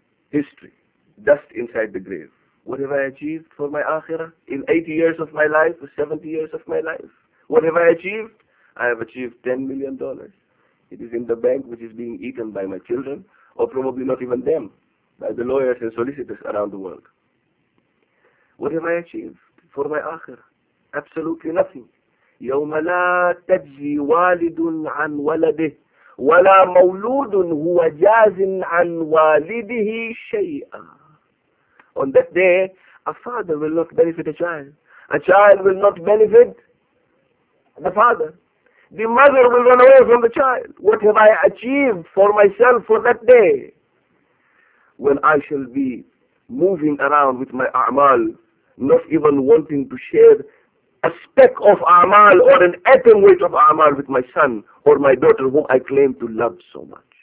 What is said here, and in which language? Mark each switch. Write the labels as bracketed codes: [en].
[en] History, dust inside the grave. What have I achieved for my akhirah in 80 years of my life, or 70 years of my life? What have I achieved? I have achieved $10 million. It is in the bank, which is being eaten by my children, or probably not even them, by the lawyers and solicitors around the world. What have I achieved for my akhirah? Absolutely nothing. [ar] يوم لا تجزي والد عن ولده ولا مولود هو جاز عن والده شيئا. [en] On that day, a father will not benefit a child. A child will not benefit the father. The mother will run away from the child. What have I achieved for myself for that day? When I shall be moving around with my a'mal, not even wanting to share a speck of a'mal or an atom weight of a'mal with my son or my daughter whom I claim to love so much.